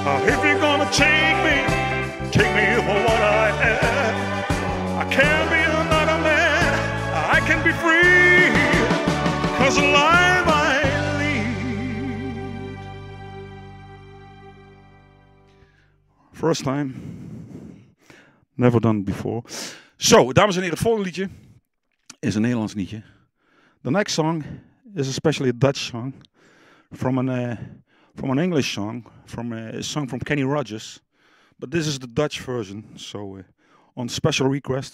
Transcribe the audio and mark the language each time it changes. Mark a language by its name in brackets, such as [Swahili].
[English] If you're gonna take me for what I am. I can be another man, I can be free. Cause the life I lead. First time, never done before. [Dutch] Zo, dames en heren, het volgende liedje is een Nederlands liedje. [English] The next song is especially a Dutch song from an English song, from a song from Kenny Rogers, but this is the Dutch version, so on special request.